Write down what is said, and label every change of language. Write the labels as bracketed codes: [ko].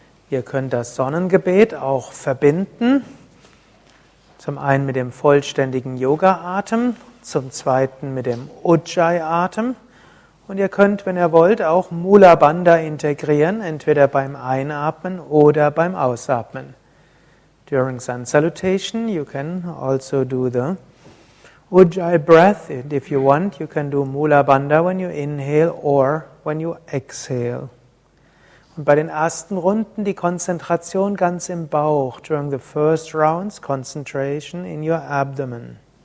[de] Ihr könnt das Sonnengebet auch verbinden Zum einen mit dem vollständigen Yoga-Atem, zum zweiten mit dem Ujjayi-Atem. Und ihr könnt, wenn ihr wollt, auch Mula Bandha integrieren, entweder beim Einatmen oder beim Ausatmen. [en] During sun salutation, you can also do the Ujjayi breath. And if you want, you can do Mula Bandha when you inhale or when you exhale. [de] Und bei den ersten Runden die Konzentration ganz im Bauch. [en] During the first rounds, concentration in your abdomen.